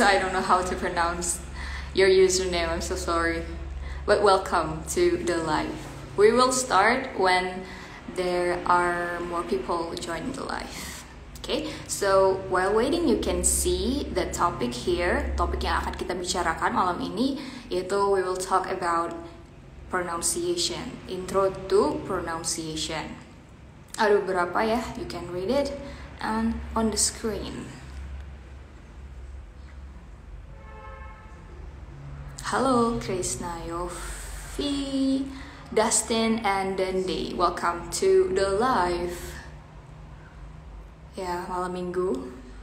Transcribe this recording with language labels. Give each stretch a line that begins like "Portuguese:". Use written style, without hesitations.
English: I don't know how to pronounce your username. I'm so sorry. But welcome to the live. We will start when there are more people joining the live. Okay, so while waiting, you can see the topic here.
Indonesian: Topik yang akan kita bicarakan malam ini yaitu
English: we will talk about pronunciation. Intro to pronunciation.
Indonesian: Ada berapa ya?
English: You can read it and on the screen. Hello, Krishna Yofi, Dustin, and Dendi. Welcome to the live. Yeah,
Indonesian: malam minggu.